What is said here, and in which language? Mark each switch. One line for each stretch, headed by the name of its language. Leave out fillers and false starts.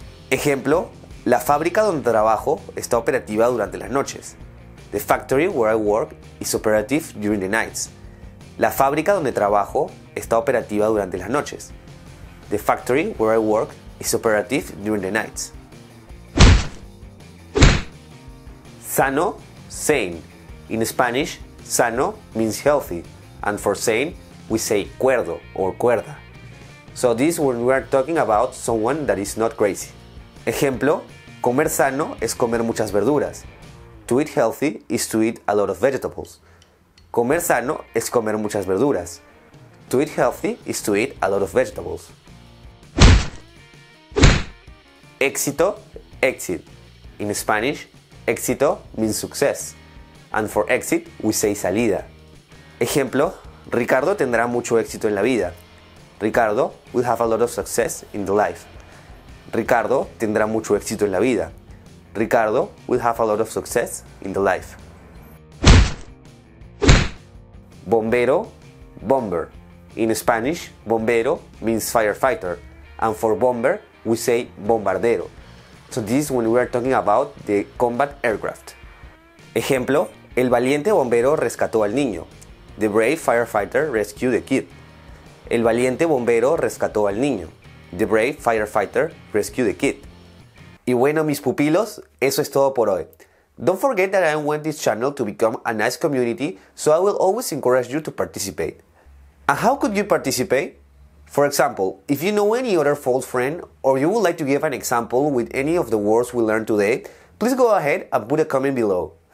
Spanish: Ejemplo, la fábrica donde trabajo está operativa durante las noches.
English: The factory where I work is operative during the nights.
Spanish: La fábrica donde trabajo está operativa durante las noches.
English: The factory where I work is operative during the nights. Sano, sane. In Spanish, sano means healthy, and for sane, we say cuerdo or cuerda. So this is when we are talking about someone that is not crazy.
Spanish: Ejemplo, comer sano es comer muchas verduras.
English: To eat healthy is to eat a lot of vegetables.
Spanish: Comer sano es comer muchas verduras.
English: To eat healthy is to eat a lot of vegetables. Éxito, exit. In Spanish, éxito means success. And for exit, we say salida.
Spanish: Ejemplo, Ricardo tendrá mucho éxito en la vida.
English: Ricardo will have a lot of success in the life.
Spanish: Ricardo tendrá mucho éxito en la vida.
English: Ricardo will have a lot of success in the life. Bombero, bomber. In Spanish, bombero means firefighter. And for bomber, we say bombardero. So this is when we are talking about the combat aircraft.
Spanish: Ejemplo, el valiente bombero rescató al niño.
English: The brave firefighter rescued the kid.
Spanish: El valiente bombero rescató al niño.
English: The brave firefighter rescued the kid.
Spanish: Y bueno, mis pupilos, eso es todo por hoy.
English: Don't forget that I want this channel to become a nice community, so I will always encourage you to participate. And how could you participate? For example, if you know any other false friend, or you would like to give an example with any of the words we learned today, please go ahead and put a comment below.